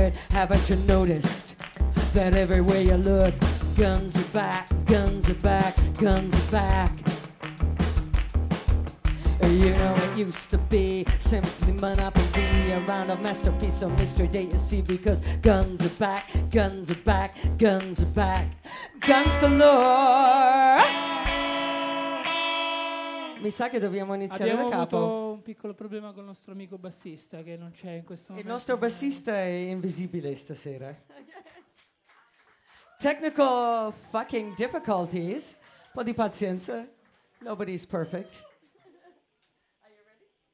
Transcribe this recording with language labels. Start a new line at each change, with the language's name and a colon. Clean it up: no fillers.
English: Haven't you noticed that everywhere you look, guns are back, guns are back, guns are back. You know it used to be simply monopoly, a round of masterpiece or mystery day, you see, because guns are back, guns are back, guns are back. Guns galore!
Italian: Mi sa che dobbiamo iniziare abbiamo da capo. Avuto un piccolo problema con il nostro amico bassista che non c'è in questo momento. Il nostro bassista è invisibile stasera.
English: Technical fucking difficulties.
Italian: Un po' di pazienza.
English: Nobody's perfect. Are you ready?